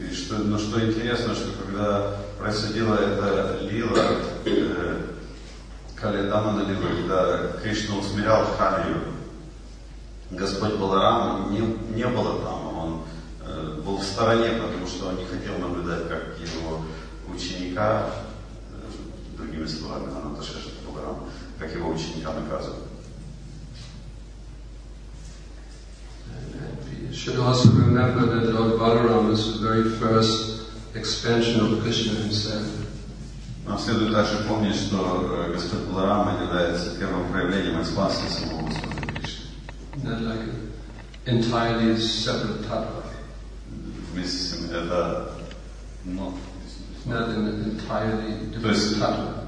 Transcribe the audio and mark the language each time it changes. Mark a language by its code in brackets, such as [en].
[ru] Но что интересно, что когда происходила эта лила, Калиядамана лила, когда Кришна усмирял Калию, Господь Баларама не был там, он был в стороне, потому что он не хотел наблюдать, как его ученика, другими словами, Ананта Шеши, как его ученикам наказывают. [en] Should also remember that Lord Balaram was the very first expansion of Krishna himself. [ru] Нам следует также помнить, что Господь Баларама является первым проявлением экспансии самого Господа Кришны. [en] Not like an entirely separate tattva. [ru] Вместе с ним это [en] not an entirely different tattva.